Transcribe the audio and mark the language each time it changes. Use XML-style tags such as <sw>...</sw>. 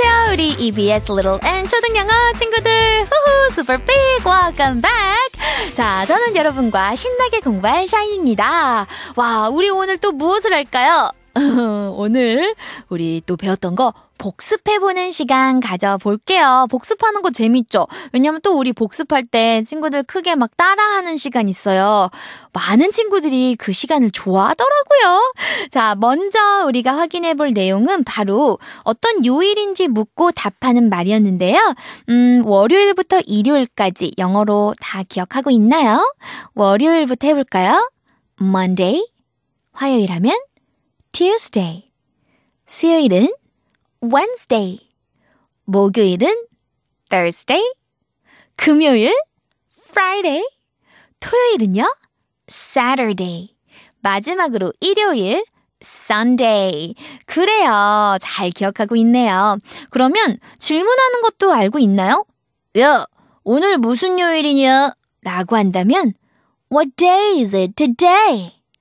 <ko>우리 EBS Little N 초등영어 친구들 후후</ko> <en>Super Big Welcome Back.</en> <ko>자, 저는 여러분과 신나게 공부할 샤인입니다. 와, 우리 오늘 또 무엇을 할까요? 오늘 우리 또 배웠던 거 복습해보는 시간 가져볼게요. 복습하는 거 재밌죠? 왜냐면 또 우리 복습할 때 친구들 크게 막 따라하는 시간 있어요. 많은 친구들이 그 시간을 좋아하더라고요. 자, 먼저 우리가 확인해볼 내용은 바로 어떤 요일인지 묻고 답하는 말이었는데요. 월요일부터 일요일까지 영어로 다 기억하고 있나요? 월요일부터 해볼까요? Monday, 화요일 하면 Tuesday, 수요일은 Wednesday, 목요일은 Thursday, 금요일 Friday, 토요일은요 Saturday, 마지막으로 일요일 Sunday. 그래요, 잘 기억하고 있네요. 그러면 질문하는 것도 알고 있나요? 야, 오늘 무슨 요일이냐? 라고 한다면</ko> <en>What day is it today?</en>